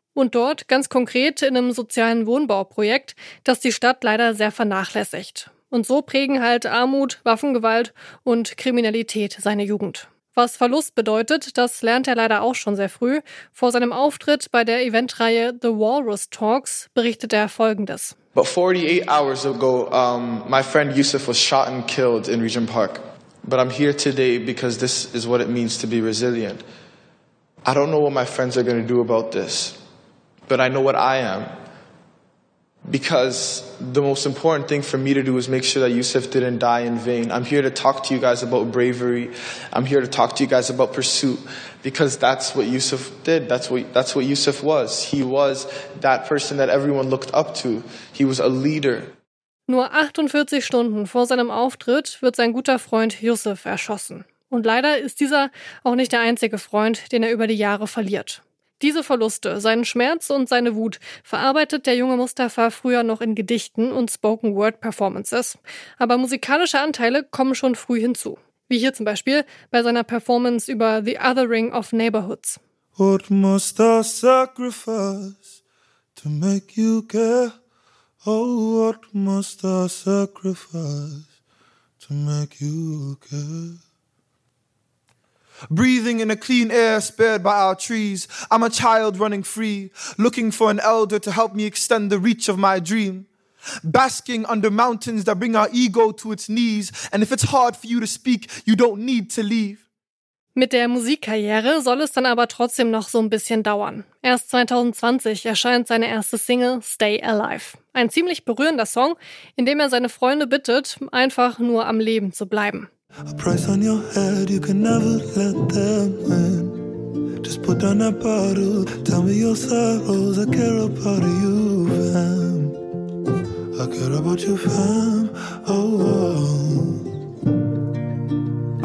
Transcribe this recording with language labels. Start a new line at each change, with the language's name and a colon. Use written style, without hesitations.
German: Und dort ganz konkret in einem sozialen Wohnbauprojekt, das die Stadt leider sehr vernachlässigt. Und so prägen halt Armut, Waffengewalt und Kriminalität seine Jugend. Was Verlust bedeutet, das lernt er leider auch schon sehr früh. Vor seinem Auftritt bei der Eventreihe The Walrus Talks berichtet er Folgendes.
English: But 48 hours ago, my friend Yusuf was shot and killed in Regent Park. But I'm here today because this is what it means to be resilient. I don't know what my friends are going to do about this, but I know what I am. Because the most important thing for me to do is make sure that Yusuf didn't die in vain. I'm here to talk to you guys about bravery. I'm here to talk to you guys about pursuit. Because that's what Yusuf did. That's what Yusuf was. He was that person that everyone looked up to. He was a leader.
German: Nur 48 Stunden vor seinem Auftritt wird sein guter Freund Yusuf erschossen. Und leider ist dieser auch nicht der einzige Freund, den er über die Jahre verliert. Diese Verluste, seinen Schmerz und seine Wut verarbeitet der junge Mustafa früher noch in Gedichten und Spoken-Word-Performances. Aber musikalische Anteile kommen schon früh hinzu. Wie hier zum Beispiel bei seiner Performance über The Othering of Neighborhoods.
English: What must I sacrifice to make you care? Oh, what must I sacrifice to make you care? Breathing in a clean air spared by our trees. I'm a child running free, looking for an elder to help me extend the reach of my dream. Basking under mountains that bring our ego to its knees. And if it's hard for you to speak, you don't need to leave.
German: Mit der Musikkarriere soll es dann aber trotzdem noch so ein bisschen dauern. Erst 2020 erscheint seine erste Single Stay Alive. Ein ziemlich berührender Song, in dem er seine Freunde bittet, einfach nur am Leben zu bleiben.
English: A price on your head, you can never let them win. Just put down that bottle, tell me your sorrows. I care about you, fam. I care about you, fam. Oh, oh.